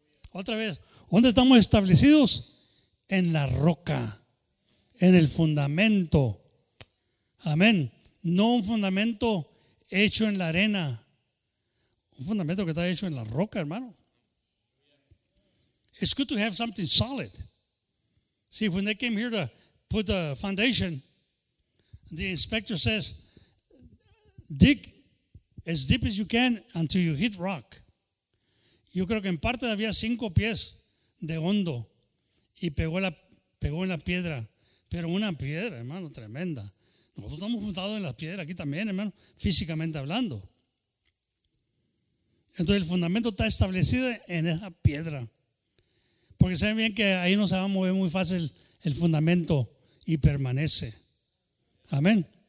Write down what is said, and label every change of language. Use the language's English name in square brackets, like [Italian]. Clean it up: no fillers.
[Spanish] Otra vez, ¿dónde estamos establecidos? En la roca, en el fundamento. Amén. No un fundamento hecho en la arena. Un fundamento que está hecho en la roca, hermano. [English] It's good to have something solid. See, when they came here to put a foundation, The inspector says, dig as deep as you can until you hit rock. [Spanish] Yo creo que en parte había 5 pies de hondo y pegó en la piedra. Pero una piedra, hermano, tremenda. Nosotros estamos juntados en las piedras aquí también, hermano, físicamente hablando. Entonces el fundamento está establecido en esa piedra. Porque saben bien que ahí no se va a mover muy fácil el fundamento y permanece. Amén.